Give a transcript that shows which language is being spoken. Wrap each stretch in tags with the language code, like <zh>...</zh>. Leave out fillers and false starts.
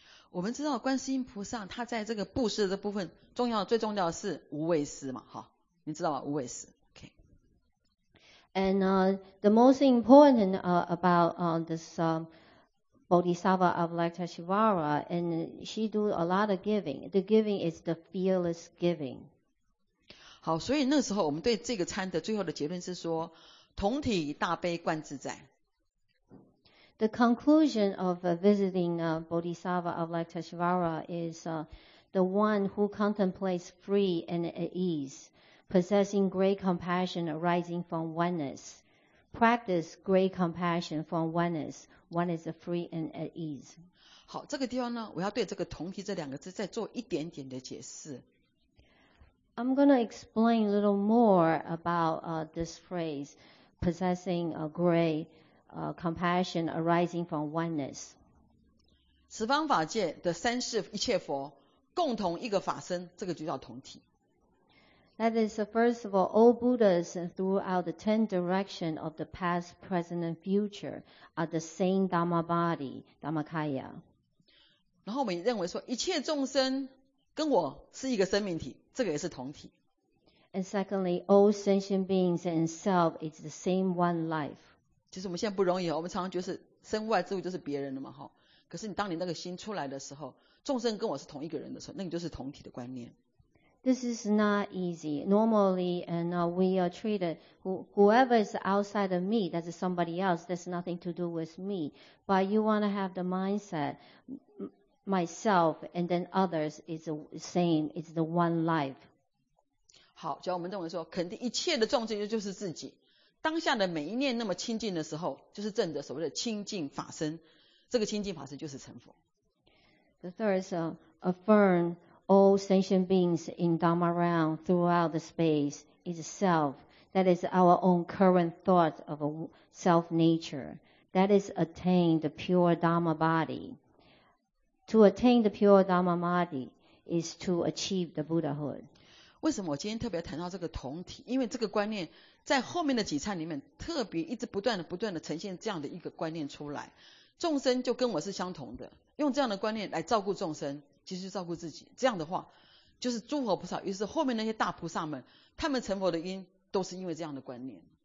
<zh>我们知道观世音菩萨他在这个布施的部分，重要最重要的是无畏施嘛，好，你知道吗？无畏施。</zh> <en>And the most important about this. Bodhisattva Avalokiteshvara, and she do a lot of giving. The giving is the fearless giving.</en> <zh>好，所以那时候我们对这个参的最后的结论是说，同体大悲观自在。</zh> <en>The conclusion of visiting Bodhisattva Avalokiteshvara is the one who contemplates free and at ease, possessing great compassion arising from oneness, practice great compassion from oneness. One is free and at ease.</en> <zh>好，这个地方呢，我要对这个同体这两个字再做一点点的解释。</zh> <en>I'm going to explain a little more about this phrase, possessing a great compassion arising from oneness.</en> <zh>十方法界的三世一切佛共同一个法身，这个就叫同体。</zh> <en>That is, first of all Buddhas throughout the 10 directions of the past, present, and future are the same Dharma body, Dhammakaya.</en> <zh>然后我们认为说一切众生跟我是一个生命体，这个也是同体。</zh> <en>And secondly, all sentient beings and self is the same one life.</en> <zh>其实我们现在不容易，我们常常就是身外之物就是别人的嘛，可是你当你那个心出来的时候，众生跟我是同一个人的时候，那你就是同体的观念。</zh> <en>This is not easy. Normally, and we are treated, whoever is outside of me, that's somebody else, that's nothing to do with me. But you want to have the mindset, myself and then others is the same, it's the one life.</en> <zh>好，只要我们认为说，肯定一切的众生就是自己。当下的每一念那么清净的时候，就是证得所谓的清净法身。这个清净法身就是成佛。</zh> <en>The third is affirm all sentient beings in Dharma realm throughout the space is self. That is our own current thought of a self nature. That is attain the pure Dharma body. To attain the pure Dharma body is to achieve the Buddhahood.</en> <zh>为什么我今天特别谈到这个同体？因为这个观念在后面的几忏里面特别一直不断的呈现这样的一个观念出来。众生就跟我是相同的，用这样的观念来照顾众生，其实就照顾自己。这样的话就是诸佛菩萨，于是后面那些大菩萨们，他们成佛的因都是因为这样的观念。</zh>